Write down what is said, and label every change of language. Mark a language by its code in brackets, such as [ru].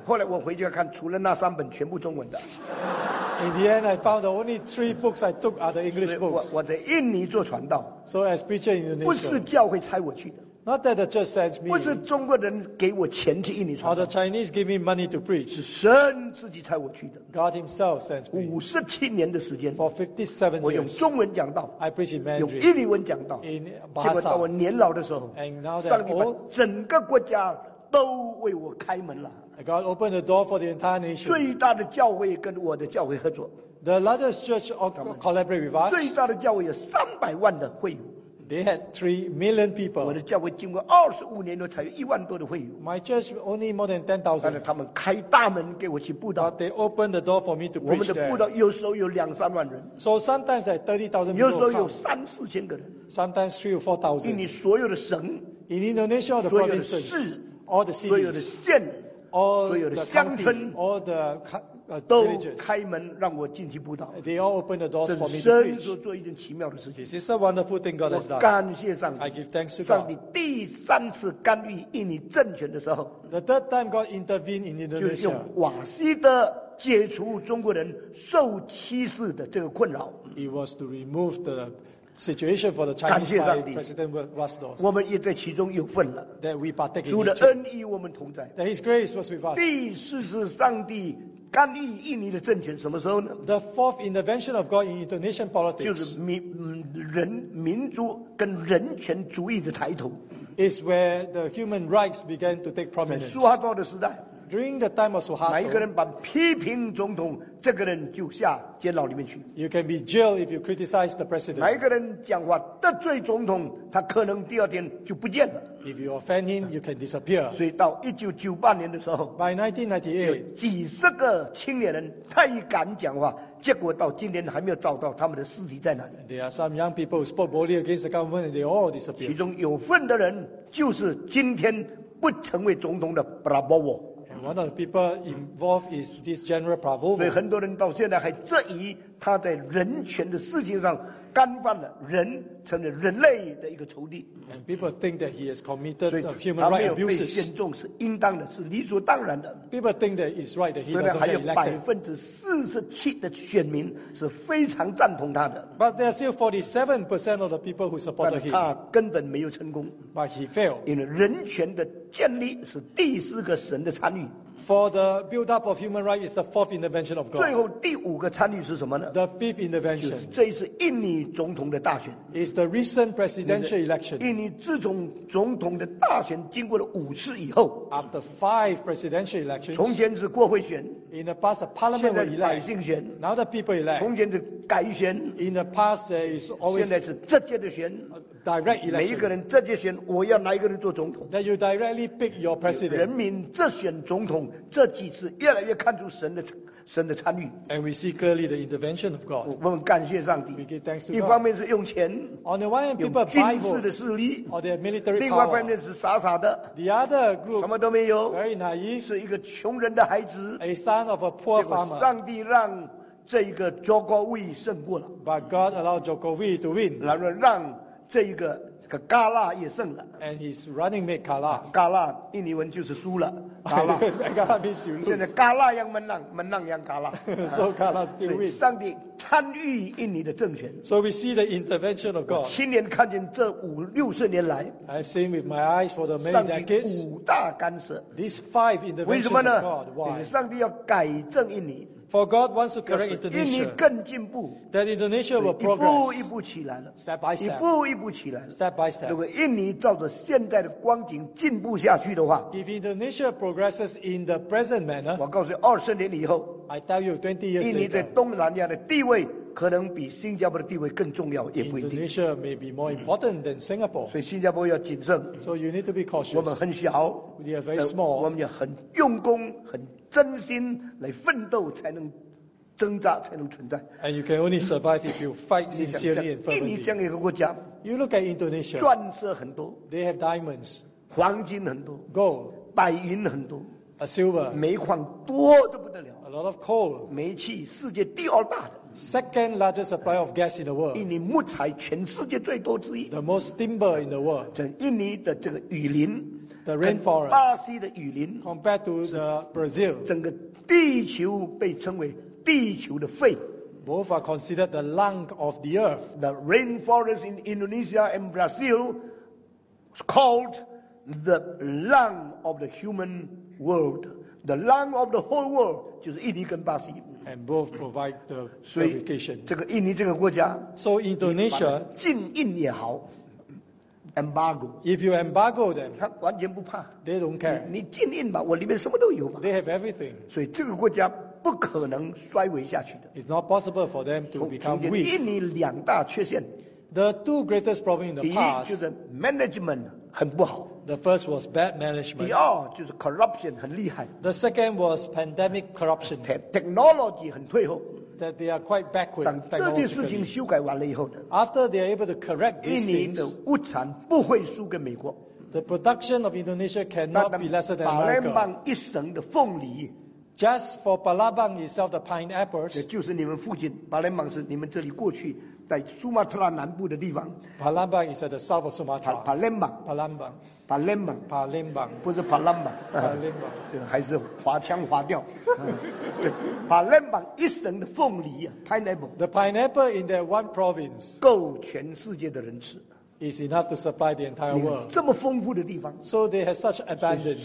[zh] 后来我回去看除了那三本全部中文的 [en] In the end I found the only three books I took are the English books [zh] 我在印尼做传道 [en] So as preacher in Indonesia [zh] 不是教会差我去的 [en] Not that the church sends me [zh] 不是中国人给我钱去印尼传道 [en] Or the Chinese give me money to preach [zh] 是神自己差我去的 [en] God himself sends me [zh] 57年的时间 [en] For 57 years [zh] 我用中文讲道 [en] I preach in Mandarin [zh] 用印尼文讲道 [en] In [zh] Bahasa 结果到我年老的时候 [en] And now that [zh] 上帝把整个国家都为我开门了 [en] God opened the door for the entire nation. [zh] 最大的教会跟我的教会合作。 [en] The largest church collaborate with us. [zh] 最大的教会有300万的会员。 [en] They had 3 million people. [zh] 我的教会经过25年了，才有1万多的会友。 [en] My church only more than 10,000. [zh] 但是他们开大门给我去布道。 [en] They opened the door for me to preach there. [zh] 我们的布道有时候有2-3万人。 [en] So sometimes at 30,000. [zh] 有时候有3-4千个人。 [en] Sometimes 3-4,000. [zh] 印尼所有的省 [en] ，In Indonesia all the provinces, [zh] 所有的市 [en] ，all the cities, [zh] 所有的县 [en] ，all [zh] the 乡村 [en] ，all the [zh] 都开门让我进去布道。 [en] They all opened the doors for me to preach. [zh] 神所做一件奇妙的事情。 [en] This is a wonderful thing God has done. [zh] 我感谢上帝。 [en] I give thanks to God. [zh] 上帝第三次干预印尼政权的时候 [en] ，The third time God intervened in Indonesia. [zh] 就用瓦西德解除中国人受歧视的这个困扰。 [en] It was to remove the situation for the Chinese President Rasdos. [zh] 我们也在其中有份了。 [en] That we partake in. [zh] 主的恩义我们同在。 [en] That His grace was with us. [zh] 第四次上帝干预印尼的政权什么时候呢 [en] ？The fourth intervention of God in Indonesian politics [zh] 就是民族跟人权主义的抬头。 [en] Is where the human rights began to take prominence. [zh] 在苏哈多的时代 [en] ，During the time of Suharto， [zh] 哪一个人把批评总统，这个人就下监牢里面去。 [en] You can be jailed if you criticize the president. [zh] 哪一个人讲话得罪总统，他可能第二天就不见了。 [en] If you offend him, you can disappear. [zh] 所以到1998年的时候 [en] ，By 1998， [zh] 几十个青年人太敢讲话，结果到今天还没有找到他们的尸体在哪里。 [en] There are some young people who spoke boldly against the government, and they all disappeared. [zh] 其中有份的人就是今天不成为总统的 Prabowo。 [en] One of the people involved is this General Prabowo. [zh] 所以很多人到现在还质疑他在人权的事情上。干犯了人成了人类的一个仇敌 [en] and people think that he has committed human rights abuses [zh] 所以他没有被选中是应当的是理所当然的 [en] people think that it's right that he doesn't get elected [zh] 所以还有47%的选民是非常赞同他的 [en] but there are still 47% of the people who supported him [zh] 但他根本没有成功 [en] but he failed [zh] 因为人权的建立是第四个神的参与 [en] For the build-up of human rights is the fourth intervention of God. [zh] 最后第五个参与是什么呢 [en] ？The fifth intervention. [zh] 就是这一次印尼总统的大选。 [en] Is the recent presidential election. [zh] 印尼自从总统的大选经过了5次以后 [en] ，After 5 presidential elections. [zh] 从前是国会选。 [en] In the past, a parliament elect. [zh] 现在百姓选。 [en] Now the people elect. [zh] 从前是改选。 [en] In the past, there is always. [zh] 现在是直接的选。 [en] Direct election. [zh] 每一个人直接选，我要哪一个人做总统 [en] ？That you directly pick your president. [zh] 人民直选总统。这几次越来越看出神的参与 [en] ，and we see clearly the intervention of God。 [zh] 我们感谢上帝。 [en] We give thanks to God。 [zh] 一方面是用钱 [en] ，on the one hand people buy votes， [zh] 用军事的势力 [en] ，or their military power。 [zh] 另外一方面是傻傻的 [en] ，the other group [zh] 什么都没有 [en] ，very naive， [zh] 是一个穷人的孩子 [en] ，a son of a poor farmer。 [zh] 上帝让这一个 Jokowi 胜过了 [en] ，but God allowed Jokowi to win， [zh] 然后让这一个。可嘎拉也胜了 [en] ，and his running mate 嘎拉， [zh] 嘎拉印尼文就是输了， [en] 嘎拉means you lose。 [zh] 现在嘎拉让门浪让嘎拉 [en] ，so 嘎拉 still win。 [zh] 上帝参与印尼的政权 [en] ，so we see the intervention of God。 [zh] 亲眼看见这50-60年来 [en] ，I've seen with my eyes for the many decades。 [zh] 上帝五大干涉 [en] ，these five interventions of God。 [zh] 为什么呢？上帝要改正印尼。 [en] For God wants to correct Indonesia. [zh] 印尼更进步 [en] that Indonesia will progress. [zh] 一步起来了 [en] step by step. [zh] 一步一步起来了 [en] step by step. [zh] 如果印尼照着现在的光景进步下去的话 [en] if Indonesia progresses in the present manner, [zh] 我告诉你20年以后 [en] I tell you 20 years [zh] 印尼在东南亚的地位可能比新加坡的地位更重要也不一定 [en] Indonesia may be more important than Singapore. [zh] 所以新加坡要谨慎 [en] so you need to be cautious. [zh] 我们很小 [en] we are very small. [zh] 我们也很用功很真心来奋斗才能挣扎才能存在 [en] and you can only survive if you fight sincerely and fervently [zh] 印尼这样一个国家 [en] you look at Indonesia [zh] 钻石很多 [en] they have diamonds [zh] 黄金很多 [en] gold [zh] 白银很多 [en] a silver [zh] 煤矿多得不得了 [en] a lot of coal [zh] 煤气世界第二大的 [en] second largest supply of gas in the world [zh] 印尼木材全世界最多之一 [en] the most timber in the world [zh] 印尼的这个雨林 [en] The rainforest, [zh] 巴西的雨林 [en] compared to the Brazil, [zh] 整个地球被称为地球的肺 [en] both are considered the lung of the earth. The rainforest in Indonesia and Brazil is called the lung of the human world. The lung of the whole world [zh] 就是印尼跟巴西 [en] And both provide the verification. [zh] 这个印尼这个国家 [en] So Indonesia, [zh] 禁印也好 embargo. [en] If you embargo them, [zh] 他完全不怕 [en] They don't care. [zh] 你禁印吧，我里面什么都有吧。 [en] They have everything. [zh] 所以这个国家不可能衰微下去的。 [en] It's not possible for them to become weak. [zh] 印尼两大缺陷 [en] The two greatest problems in the past. [zh] 第一就是 management 很不好。 [en] The first was bad management. [zh] 第二就是 corruption 很厉害。 [en] The second was pandemic corruption. [zh] Technology 很退后。 [en] That they are quite backward. [zh] 等这件事情修改完了以后呢 [en] ？After they are able to correct these things. [zh] 印尼的物产不会输给美国。 [en] The production of Indonesia cannot be lesser than America. [zh] 巴兰邦一省的凤梨。 [en] Just for Palembang itself, the pineapples. [zh] 也就是你们附近，巴兰邦是你们这里过去在苏马特拉南部的地方。 [en] Palembang is at the south of Sumatra. [zh] Palembang. 不是 [en] Palembang. [zh] 还是华腔华调。 Palembang 一省的凤梨 ，pineapple. [en] The pineapple in that one province. [zh] 够全世界的人吃。 [en] Is enough to supply the entire world. [zh] 这么丰富的地方。 [en] So they have such abundance.